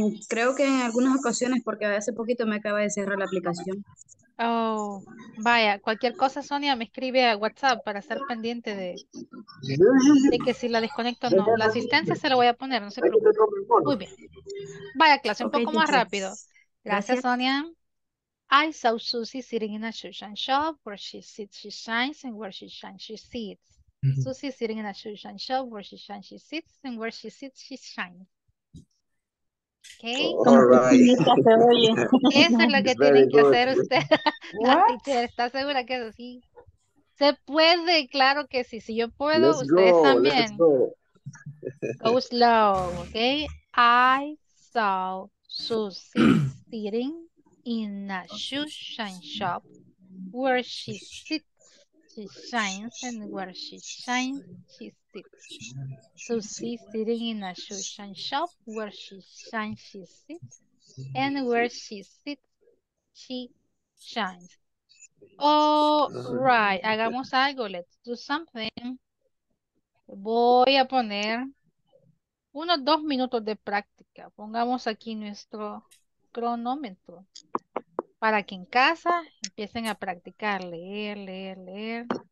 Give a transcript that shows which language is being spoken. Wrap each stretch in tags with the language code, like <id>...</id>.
<es>Creo que en algunas ocasiones, porque hace poquito me acaba de cerrar la aplicación. Oh, vaya. Cualquier cosa, Sonia, me escribe a WhatsApp para estar pendiente de que si la desconecto o no. La asistencia se la voy a poner, no se preocupe. Muy bien. Vaya clase, un poco más rápido. Gracias, Sonia.</es> <en>I saw Susie sitting in a shoeshine shop, where she sits, she shines, and where she shines, she sits. Susie sitting in a shoeshine shop, where she shines, she sits, and where she sits, she shines. Okay. Right.</en> <es>Esa es la que tienen que hacer usted. La teacher, ¿está segura que es así? Se puede, claro que sí. Si yo puedo,</es> <en>let's</en> <es>ustedes</es> <en>go,</en> <es>también.</es> <en>Go. Go slow, okay? I saw Susie sitting in a shoeshine shop, where she sits, she shines, and where she shines, she sits. Susie sitting in a shoeshine shop, where she shines, she sits, and where she sits, she shines. All right,</en> <es>hagamos algo,</es> <en>let's do something.</en> <es>Voy a poner unos dos minutos de práctica. Pongamos aquí nuestro cronómetro. Para que en casa empiecen a practicar, leer, leer, leer.</es>